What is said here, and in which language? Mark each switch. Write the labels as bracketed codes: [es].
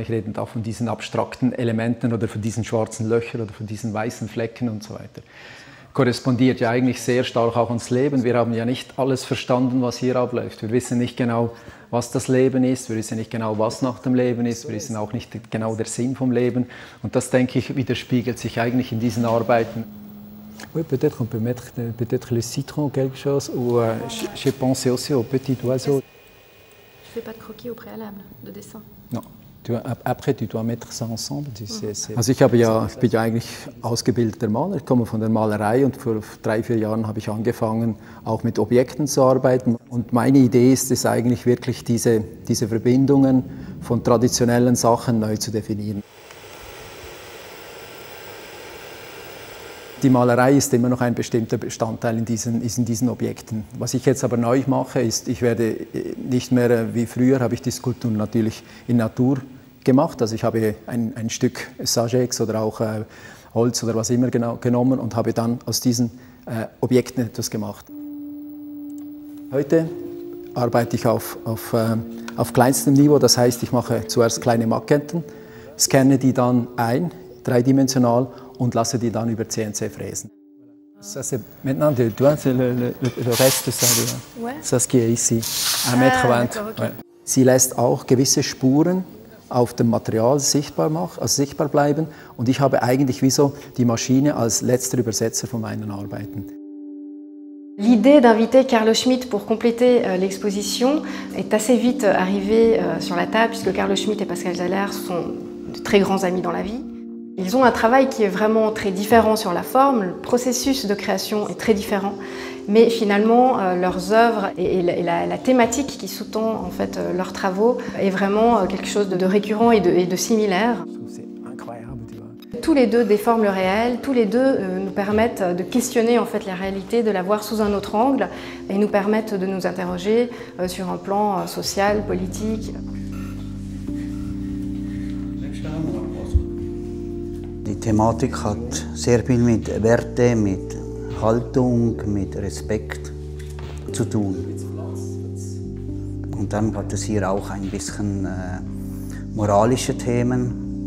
[de] Ich rede da von diesen abstrakten Elementen oder von diesen schwarzen Löchern oder von diesen weißen Flecken und so weiter. Korrespondiert ja eigentlich sehr stark auch ans Leben. Wir haben ja nicht alles verstanden, was hier abläuft. Wir wissen nicht genau, was das Leben ist. Wir wissen nicht genau, was nach dem Leben ist. Wir wissen auch nicht genau der Sinn vom Leben. Und das, denke ich, widerspiegelt sich eigentlich in diesen Arbeiten. [fr] Oui, peut-être on peut mettre peut-être le citron quelque chose ou j'ai pensé aussi au petit oiseau. Je fais pas de croquis au préalable de dessin. Non. Après, tu dois mettre ça ensemble. [de] Also ich bin ja eigentlich ausgebildeter Maler. Ich komme von der Malerei und vor 3-4 Jahren habe ich angefangen, auch mit Objekten zu arbeiten. Und meine Idee ist es eigentlich wirklich, diese Verbindungen von traditionellen Sachen neu zu definieren. Die Malerei ist immer noch ein bestimmter Bestandteil in diesen Objekten. Was ich jetzt aber neu mache, ist, ich werde nicht mehr wie früher, habe ich die Skulpturen natürlich in Natur gemacht. Also ich habe ein Stück Sagex oder auch Holz oder was immer genommen und habe dann aus diesen Objekten etwas gemacht. Heute arbeite ich auf kleinstem Niveau, das heißt, ich mache zuerst kleine Maketten, scanne die dann ein, dreidimensional, und lasse die dann über CNC fräsen. [fr] Ça c'est maintenant du vois le reste ça là. Ouais. Ça ce qui est ici. 1,20 m. Okay. Ouais. [de] Sie lässt auch gewisse Spuren auf dem Material sichtbar bleiben und ich habe eigentlich wieso die Maschine als letzter Übersetzer von meinen Arbeiten. [fr] L'idée d'inviter Carlo Schmitt pour compléter l'exposition est assez vite arrivée sur la table puisque Carlo Schmitt et Pascal Zeiler sont de très grands amis dans la vie. Ils ont un travail qui est vraiment très différent sur la forme, le processus de création est très différent, mais finalement leurs œuvres et la thématique qui sous-tend en fait leurs travaux est vraiment quelque chose de récurrent et de similaire. C'est incroyable, tu vois. Tous les deux déforment le réel, tous les deux nous permettent de questionner en fait la réalité, de la voir sous un autre angle et nous permettent de nous interroger sur un plan social, politique. [de] Die Thematik hat sehr viel mit Werte, mit Haltung, mit Respekt zu tun. Und dann hat es hier auch ein bisschen moralische Themen.